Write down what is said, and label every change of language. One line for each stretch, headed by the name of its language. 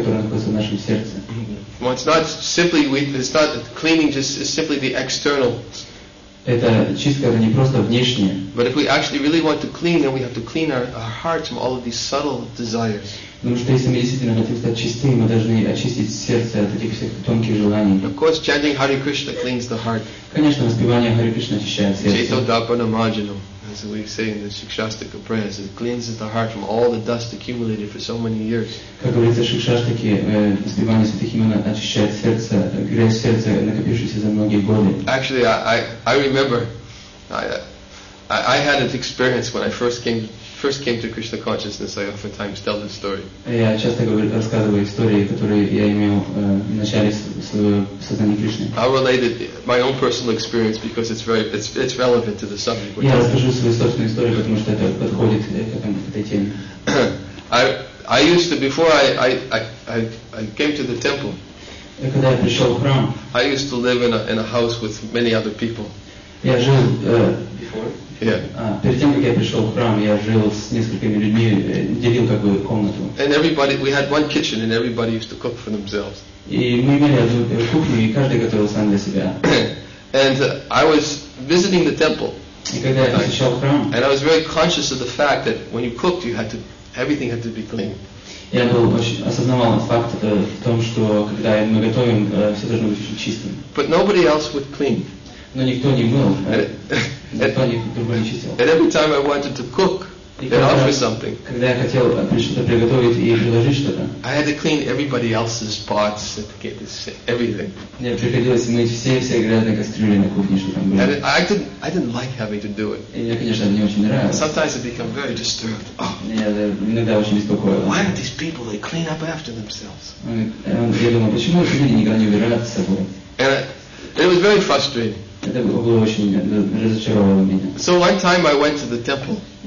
English: Well, it's not simply cleaning just is simply the external.
Russian: Это чистка, это не просто внешнее.
English: But if we actually really want to clean, then we have to clean our hearts from all of these subtle desires.
Russian: Потому что если мы действительно хотим стать чистыми, мы должны очистить сердце от этих всех тонких желаний.
English: Of course, chanting Hare Krishna cleans the heart.
Russian: Конечно, воспевание Hare Krishna очищает сердце.
Sanskrit: Chaito Dapana Marjanam,
English: as we say in the Shikshastika prayers, it cleanses the heart from all the dust accumulated for so many years.
Russian: Как говорится в Шикшастике, воспевание святых имен очищает сердце, грязь сердца, накопившуюся за многие годы.
English: Actually, I remember, I had an experience when I first came to Krishna consciousness. I oftentimes tell this story.
Russian: Я часто рассказываю истории, которые я имел в начале сознания Кришны.
English: I related my own personal experience because it's relevant to the subject.
Russian: Я расскажу свою собственную историю, потому что это подходит к этой теме.
English: I used to before I came to the temple.
Russian: Когда я пришел в храм.
English: I used to live in a house with many other people.
Russian: Я жил
English: before. Yeah.
Russian: Перед тем, как я пришел в храм, я жил с несколькими людьми, делил как бы комнату.
English: And everybody, we had one kitchen, and everybody used to cook for themselves.
Russian: И мы имели одну кухню, и каждый готовил сам для себя.
English: And I was visiting the temple.
Russian: И когда я посещал храм.
English: And I was very conscious of the fact that when you cooked, everything had to be clean.
Russian: Я был очень осознавал факт в том, что когда мы готовим, все должно быть очень чистым.
English: But nobody else would clean.
Russian: Но никто не мыл. And
English: every time I wanted to cook and offer something,
Russian: когда я хотел что-то приготовить и предложить что-то,
English: I had to clean everybody else's pots and get everything.
Russian: Мне приходилось мыть все грязные кастрюли на кухне, что там было.
English: I didn't like having to do it.
Russian: Я, конечно, не очень нравилось.
English: Sometimes it became very disturbed.
Russian: Иногда очень беспокоило.
English: Why don't these people they clean up after themselves?
Russian: Я думал, почему эти люди никогда не убирают за собой?
English: And it was very frustrating. So one time I went to the temple.